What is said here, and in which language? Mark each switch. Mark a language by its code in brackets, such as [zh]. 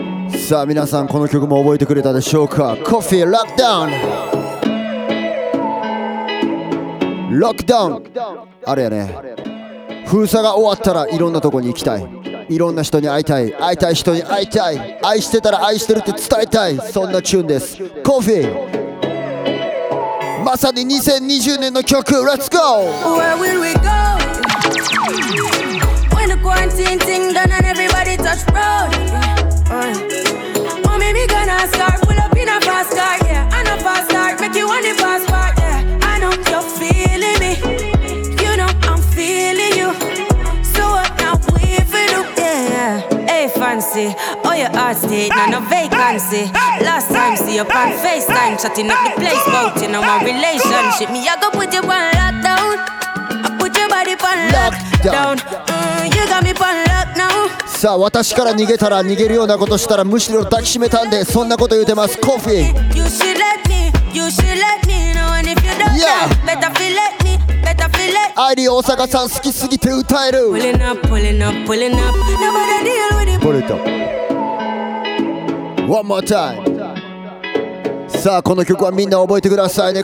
[ja] さあ皆さん、この曲も覚えてくれたでしょうか。コフィーロックダウン、ロックダウン、あれやね、封鎖が終わったらいろんなとこに行きたい、いろんな人に会いたい、会いたい人に会いたい、愛してたら愛してるって伝えたい、そんなチューンです。コフィー、まさに2020年の曲、レッツゴー。 [en] Where will we go when the quarantine thing done and everybody touch road、Mommy, me gonna start, pull up in a fast car, yeah. I know fast car, make you want the fast part, yeah. I know you're feeling me, you know I'm feeling you. So what now, we feel you, yeah. Hey, fancy, oh, your heart state, hey, no vacancy. Hey, last time, hey, see you on, hey, FaceTime, hey, shutting up the place, voting on my relationship. Me, I go put you on lockdown, I put your body on lockdown. You got me on lockdown. Now. [ja] さあ、私から逃げたら、逃げるようなことしたらむしろ抱きしめたんで、そんなこと言うてます。コフィー、 [en] You should let me, you should let me know. And if you don't know, better feel let me, better feel let [ja] me. アイリー大阪さん好きすぎて歌える。 [en] Pulling up, pulling up, pulling up. Nobody deal with it. Pull it up. One more time. [ja] さあ、この曲はみんな覚えてくださいね。